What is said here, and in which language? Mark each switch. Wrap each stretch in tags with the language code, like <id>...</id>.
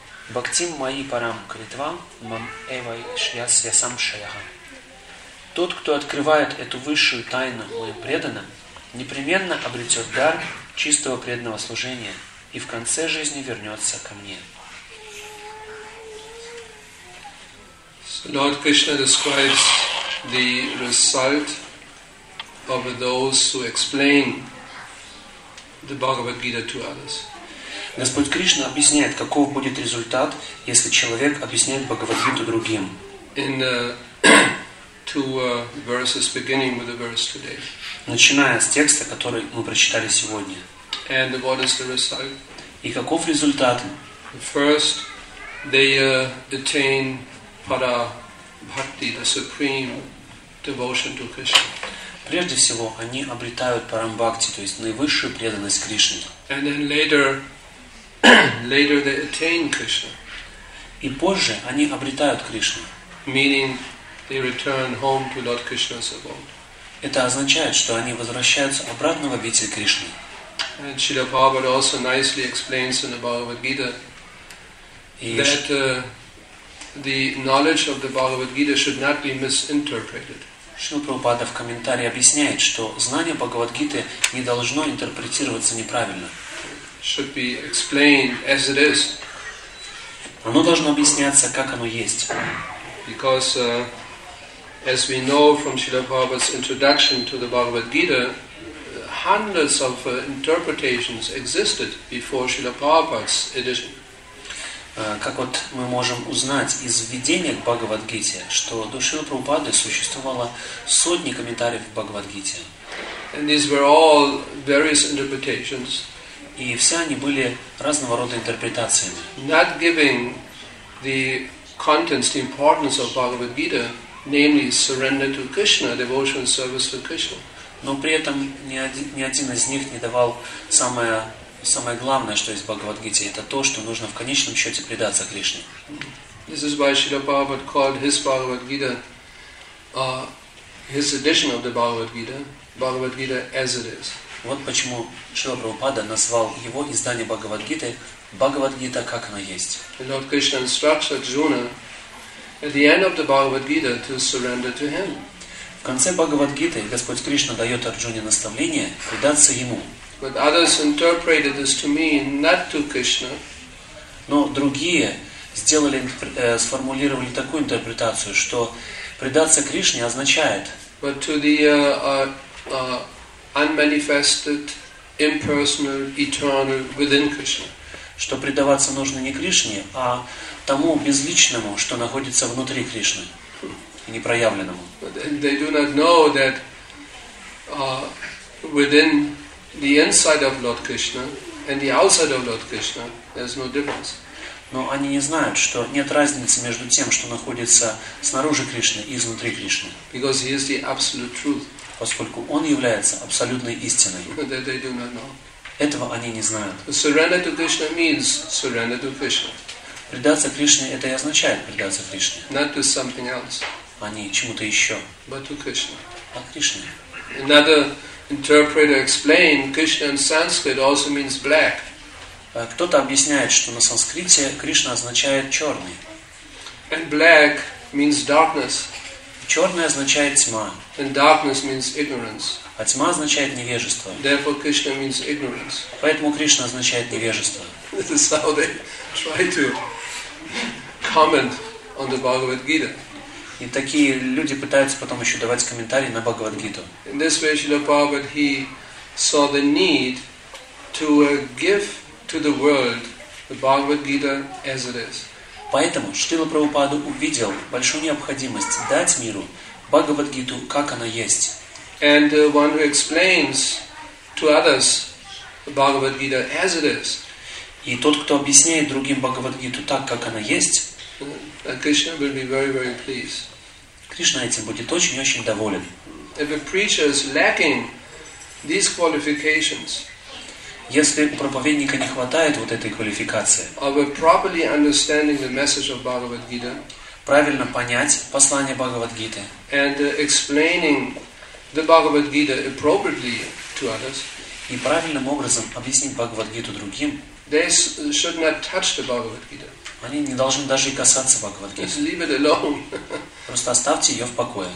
<sa>Бхактим мои парам критвам, мам эвай шьяс ясам шаяха.</sa> <ru>Тот, кто открывает эту высшую тайну моим преданным, непременно обретет дар чистого преданного служения и в конце жизни вернется ко мне.</ru> <en>Lord Krishna describes the result of those who explain the Bhagavad Gita to others.</en> <ru>Господь Кришна объясняет, каков будет результат, если человек объясняет Бхагавад-гиту другим.</ru> <en>In the two verses beginning with the verse today.</en> <ru>Начиная с текста, который мы прочитали сегодня.</ru> <en>And what is the result?</en> <ru>И каков результат?</ru> <en>First, they attain para bhakti, the supreme devotion to Krishna.</en> <ru>Прежде всего, они обретают парам бхакти, то есть наивысшую преданность Кришне.</ru> <en>And then later they attain Krishna.</en> <ru>И позже они обретают Кришну.</ru> <en>Meaning they return home to Lord Krishna's abode.</en> <ru>Это означает, что они возвращаются обратно в обитель Кришны.</ru> <en>And Srila Prabhupada also nicely explains in the Bhagavad Gita that the knowledge of the Bhagavad Gita should not be misinterpreted.</en> <ru>Шрила Прабхупада в комментарии объясняет, что знание Бхагавад-гиты не должно интерпретироваться неправильно.</ru> <en>Should be explained as it is.</en> <ru>Оно должно объясняться, как оно есть.</ru> <en>Because, as we know from Srila Prabhupada's introduction to the Bhagavad Gita, hundreds of interpretations existed before Srila Prabhupada's edition.</en> <ru>Как вот мы можем узнать из введения к Бхагавад-гите, что до Шрилы Прабхупады существовало сотни комментариев к Бхагавад-гите.</ru> <en>And these were all various interpretations.</en> <ru>И все они были разного рода интерпретациями.</ru> <en>Not giving the contents, the importance of Bhagavad-gita, namely surrender to Krishna, devotion, service to Krishna.</en> <ru>Но при этом ни один из них не давал самое главное, что есть в Бхагавад-гите, это то, что нужно в конечном счете предаться Кришне.</ru> <en>This is why Srila Prabhupada called his Bhagavad-gita, his edition of the Bhagavad-gita, Bhagavad-gita as it is.</en> <ru>Вот почему Шрила Прабхупада назвал его издание Бхагавад-гиты Бхагавад-гита, как оно есть.</ru> <en>Lord Krishna instructs Arjuna at the end of the Bhagavad-gita to surrender to him.</en> <ru>В конце Бхагавад-гиты Господь Кришна дает Арджуне наставление предаться ему.</ru> <en>But others interpreted this to mean not to Krishna.</en> <ru>Но другие сформулировали такую интерпретацию, что предаться Кришне означает.</ru> <en>But to the unmanifested, impersonal, eternal within Krishna.</en> <ru>Что предаваться нужно не Кришне, а тому безличному, что находится внутри Кришны, непроявленному.</ru> <en>But they do not know that within the inside of Lord Krishna and the outside of Lord Krishna, there's no difference.</en> <ru>Но они не знают, что нет разницы между тем, что находится снаружи Кришны и изнутри Кришны.</ru> <en>Because he is the absolute truth.</en> <ru>Поскольку он является абсолютной истиной.</ru> <en>That they do not know.</en> <ru>Этого они не знают.</ru> <en>Surrender to Krishna means surrender to Krishna.</en> <ru>Предаться Кришне это и означает предаться Кришне.</ru> <en>Not to something else.</en> <ru>А не чему-то еще.</ru> <en>But to Krishna.</en> <ru>А Кришне.</ru> <en>Another interpreter explained Krishna in Sanskrit also means black.</en> <ru>Кто-то объясняет, что на санскрите Кришна означает черный.</ru> <en>And black means darkness.</en> <ru>Черное означает тьма.</ru> <en>And darkness means ignorance.</en> <ru>А тьма означает невежество.</ru> <en>Therefore Krishna means ignorance.</en> <ru>Поэтому Кришна означает невежество.</ru> <en>This is how they try to comment on the Bhagavad Gita.</en> <ru>И такие люди пытаются потом еще давать комментарии на Бхагавад-гиту.</ru> <en>In this way, Srila Prabhupada, he saw the need to give to the world the Bhagavad-gita as it is.</en> <ru>Поэтому Шрила Прабхупада увидел большую необходимость дать миру Бхагавад-гиту, как она есть.</ru> <en>And one who explains to others the Bhagavad-gita as it is.</en> <ru>И тот, кто объясняет другим Бхагавад-гиту так, как она есть,</ru> <en>and Krishna will be very, very pleased.</en> <ru>Кришна этим будет очень-очень доволен.</ru> <en>If a preacher is lacking these qualifications,</en> <ru>если у проповедника не хватает вот этой квалификации,</ru> <en>of a properly understanding the message of Bhagavad Gita,</en> <ru>правильно понять послание Бхагавад Гиты,</ru> <en>and explaining the Bhagavad Gita appropriately to others,</en> <ru>и правильным образом объяснить Бхагавад Гиту другим,</ru> <en>they should not touch the Bhagavad Gita.</en> <ru>Они не должны даже и касаться Бхагавад-гиты.</ru> <en>Leave it alone.</en> <ru>Просто оставьте ее в покое.</ru>